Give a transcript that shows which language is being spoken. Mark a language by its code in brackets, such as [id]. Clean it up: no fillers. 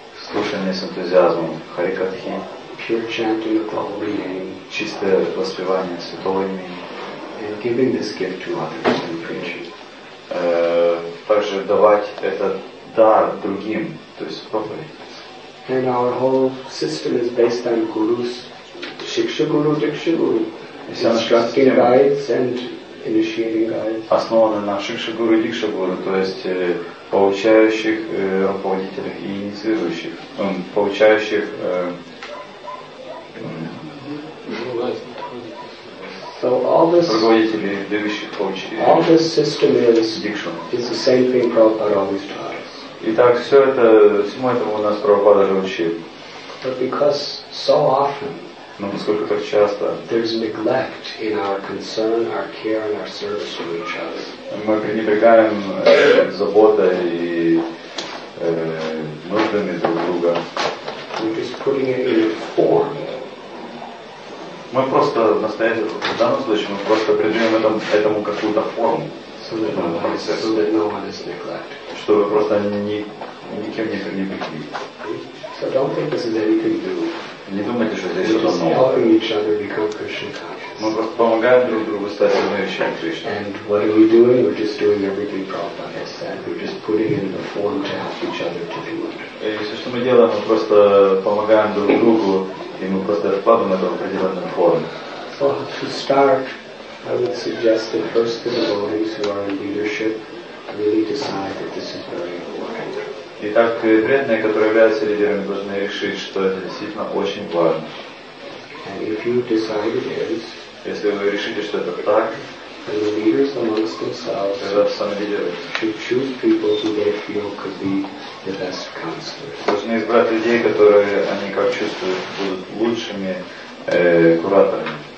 [ru] Слушание с энтузиазмом Харикатхи. [en] Pure chanting of holy name. [ru] Чистое воспевание святого имени. [en] And giving this gift to others and preaching. [ru] Также давать этот дар другим, то есть проповедь. [en] And our whole system is based on gurus, shiksha guru, diksha guru, instructing guides and initiating guides. [ru] Основана на shiksha guru, diksha guru, то есть получающих руководителях и инициирующих, получающих. [en] So all this, [ru] руководителей, дающих получить. [en] All this system is diksha. It's the same thing Prabhupada always taught. [ru] Итак, все это, всему этому у нас Прабхупада же учил. [en] But because so often, [ru] но поскольку так часто, [en] there's neglect in our concern, our care, and our service to each other. [ru] Мы пренебрегаем заботой и нуждами друг друга. [en] We're just putting it in a form. [ru] Мы просто в данном случае мы просто придаем этому какую-то форму. [en] So that no one is neglected. [ru] Чтобы просто никем не пренебрегли. [en] So don't think this is anything new. [ru] Не думайте, что здесь что-то новое. [en] We're just helping each other become Krishna conscious. [ru] Мы просто помогаем друг другу стать сознающими Кришну. [en] And what are we doing? We're just doing everything Prabhupada has said. We're just putting in the form to help each other to do it. [ru] И все, что мы делаем, мы просто помогаем друг другу, и мы просто вкладываем это в определенную форму. [en] So to start, I would suggest that first the devotees who are in leadership really decide that this is very important. [ru] Итак, преданные, которые являются лидерами, должны решить, что это действительно очень важно. [en] And if you decide it is, [ru] если вы решите, что это так, [en] then the leaders amongst themselves should choose people who they feel could be the best counselors. [ru] Должны избрать людей, которые они как чувствуют будут лучшими кураторами.